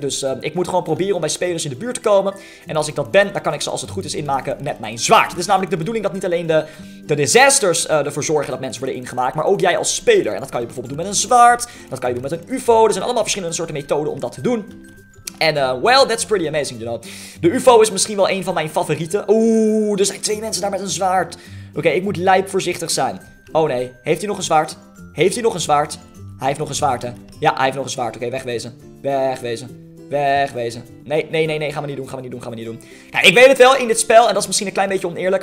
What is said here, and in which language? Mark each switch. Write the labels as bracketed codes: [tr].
[nl] Dus ik moet gewoon proberen om bij spelers in de buurt te komen. En als ik dat ben, dan kan ik ze als het goed is inmaken met mijn zwaard. Het is namelijk de bedoeling dat niet alleen de disasters ervoor zorgen dat mensen worden ingemaakt. Maar ook jij als speler. En dat kan je bijvoorbeeld doen met een zwaard. Dat kan je doen met een UFO. Er zijn allemaal verschillende soorten methoden om dat te doen. [en] En, well, that's pretty amazing, you know. [nl] De UFO is misschien wel een van mijn favorieten. Oeh, er zijn twee mensen daar met een zwaard. Oké, ik moet lijp voorzichtig zijn. Oh, nee. Heeft hij nog een zwaard? Heeft hij nog een zwaard? Hij heeft nog een zwaard, hè? Ja, hij heeft nog een zwaard. Oké, wegwezen. Wegwezen. Wegwezen. Nee. Gaan we niet doen, gaan we niet doen, gaan we niet doen. Ja, ik weet het wel, in dit spel, en dat is misschien een klein beetje oneerlijk.